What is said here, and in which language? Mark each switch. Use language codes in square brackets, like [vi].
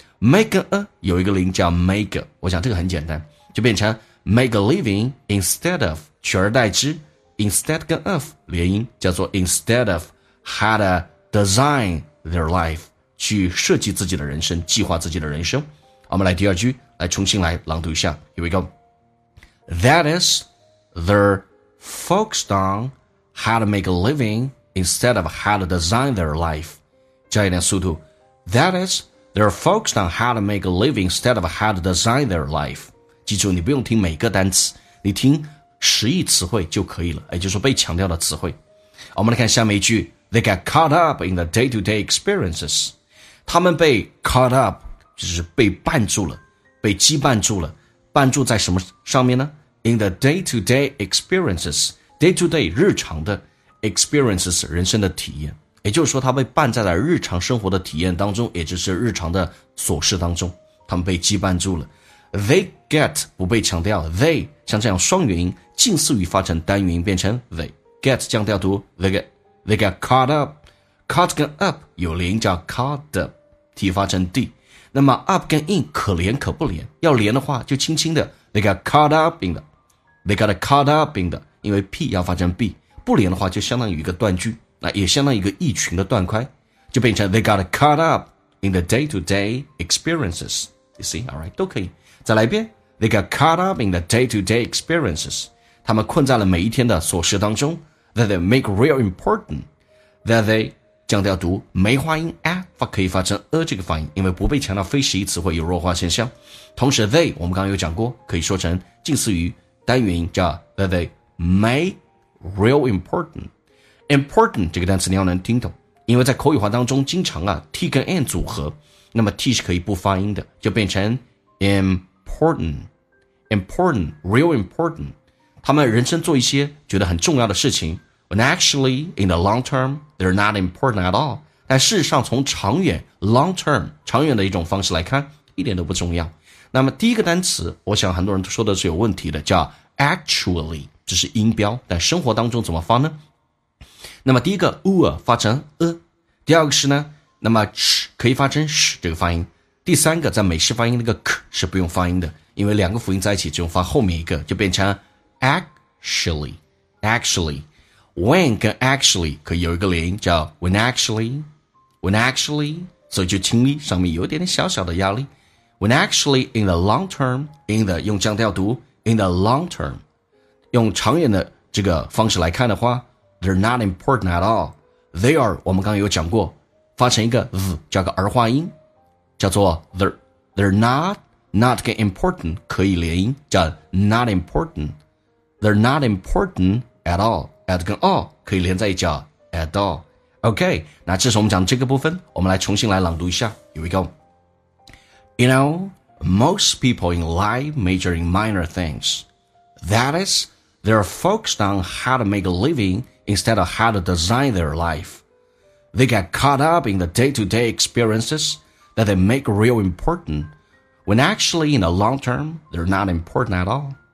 [zh] make a 有一个零叫 make， 我想这个很简单，就变成 [en] make a living instead of， [zh] 取而代之 instead 跟 of 连音叫做 [en] instead of had a design their life， [zh] 去设计自己的人生，计划自己的人生。我们来第二句，来重新来朗读一下。 [en] Here we go. That is, they're focused on how to make a living instead of how to design their life. [zh] 加一点速度。 [en] That is, they're focused on how to make a living instead of how to design their life. [zh] 记住，你不用听每个单词，你听实义词汇就可以了，也就是说被强调的词汇。我们来看下面一句。 [en] They get caught up in the day-to-day experiences. [zh] 他们被 caught up，就是被绊住了，被羁绊住了，绊住在什么上面呢？ [en] In the day-to-day experiences， [zh] day-to-day 日常的 experiences 人生的体验，也就是说他被绊在了日常生活的体验当中，也就是日常的琐事当中，他们被羁绊住了。 They get 不被强调， they 像这样双元音近似于发成单元音变成 they get 降调读 they get， [en] they get caught up， [zh] caught 跟 up 有连音叫 [en] caught up， [zh] t 发成 d。那么 up 跟 in 可连可不连，要连的话就轻轻的 [en] they got caught up in the， they got caught up in the， 因为 p 要发成 b， 不连的话就相当于一个断句，那也相当于一个意群的断块，就变成 they got caught up in the day to day experiences， you see， alright， [zh] 都可以。再来一遍， [en] they got caught up in the day to day experiences， [zh] 他们困在了每一天的琐事当中。 [en] that they make real important， [zh] that they降调读梅花音 a 发可以发成 a 这个发音，因为不被强调非实义词汇有弱化现象。同时 they 我们刚刚有讲过，可以说成近似于单元音叫 [en] that they make real important. [zh] Important 这个单词你要能听懂，因为在口语化当中经常啊 T 跟 N 组合，那么 T 是可以不发音的，就变成 important, important, [en] real important. [zh] 他们人生做一些觉得很重要的事情 [en] when actually in the long term they're not important at all. [zh] 但事实上从长远 [en] long term [zh] 长远的一种方式来看一点都不重要。那么第一个单词我想很多人都说的是有问题的，叫 actually, 这是音标，但生活当中怎么发呢？那么第一个 u 发成 e， 第二个是呢，那么 ch 可以发成 sh 这个发音，第三个在美式发音那个 k 是不用发音的，因为两个辅音在一起只用发后面一个，就变成 actually, actually. [en] When 跟 actually [zh] 可以有一个连音，叫 [en] when actually, when actually, [zh] 所以就听力上面有点小小的压力。 [en] When actually in the long term, [zh] in the 用降调读 [en] in the long term, [zh] 用长远的这个方式来看的话 [en] they're not important at all. They are, [zh] 我们刚刚有讲过发成一个 v, 叫个儿化音，叫做 [en] they're not, [zh] not 跟 important 可以连音，叫 [en] not important. They're not important at all, [zh] at 跟 all 可以连在一起叫 [en] at all. [zh] OK, 那这是我们讲的这个部分，我们来重新来朗读一下。 [en] Here we go. You know, most people in life major in minor things. That is, they're focused on how to make a living instead of how to design their life. They get caught up in the day-to-day experiences that they make real important, when actually in the long term, they're not important at all.